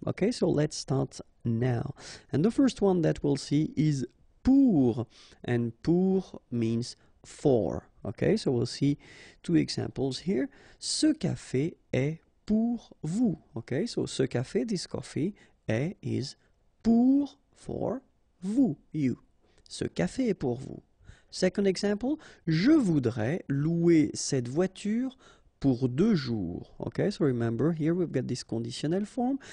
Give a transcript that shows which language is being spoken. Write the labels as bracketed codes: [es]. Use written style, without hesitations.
[en] Okay, so let's start now. And the first one that we'll see is pour, and pour means for. Okay, so we'll see two examples here. [fr] Ce café est pour vous. [en] Okay, so [fr] ce café, [en] this coffee, est, is pour, for, vous, you. [fr] Ce café est pour vous. [en] Second example, [fr] je voudrais louer cette voiture pour 2 jours. [en] Okay, so remember, here we've got this conditional form.